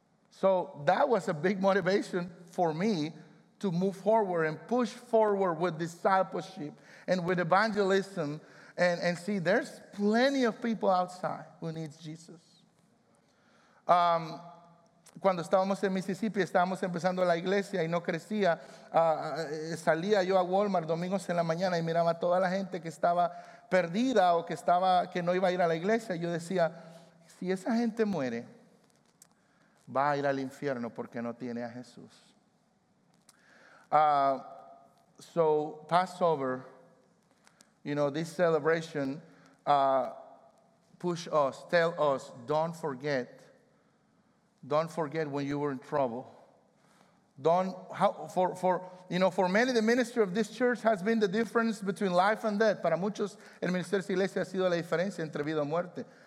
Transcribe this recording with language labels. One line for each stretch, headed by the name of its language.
English: So that was a big motivation for me to move forward and push forward with discipleship and with evangelism and see there's plenty of people outside who needs Jesus.
Spanish: Cuando estábamos en Mississippi, estábamos empezando la iglesia y no crecía. Salía yo a Walmart domingos en la mañana y miraba a toda la gente que estaba perdida o que no iba a ir a la iglesia. Yo decía, si esa gente muere, va a ir al infierno porque no tiene a Jesús.
English: So Passover, you know, this celebration push us, tell us, don't forget. Don't forget when you were in trouble. For many, the ministry of this church has been the difference between life and death.
Spanish: Para muchos, el ministerio de iglesia ha sido la diferencia entre vida y muerte.